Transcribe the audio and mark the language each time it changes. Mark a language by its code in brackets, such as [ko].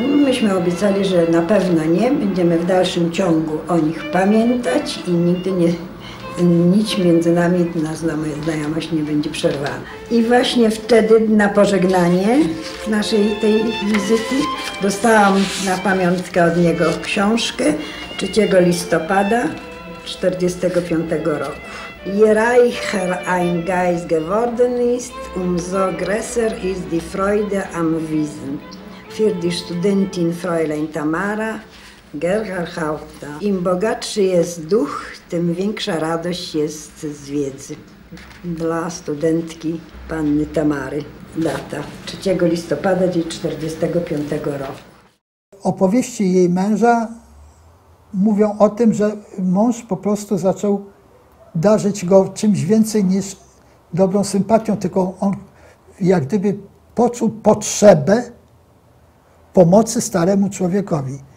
[pl] No, myśmy obiecali, że na pewno nie, będziemy w dalszym ciągu o nich pamiętać i nigdy nie, nic między nami, nasza znajomość nie będzie przerwana. I właśnie wtedy na pożegnanie naszej tej wizyty dostałam na pamiątkę od niego książkę 3 listopada 1945 roku. [de] Je reicher ein Geist geworden ist, umso größer ist die Freude am Wissen. Für die Studentin Fräulein Tamara Gerhard Haupta. [pl] Im bogatszy jest duch, tym większa radość jest z wiedzy. Dla studentki panny Tamary. Data 3 listopada 1945 roku. Opowieści jej męża mówią o tym, że mąż po prostu zaczął darzyć go czymś więcej niż dobrą sympatią, tylko on jak gdyby poczuł potrzebę pomocy staremu człowiekowi.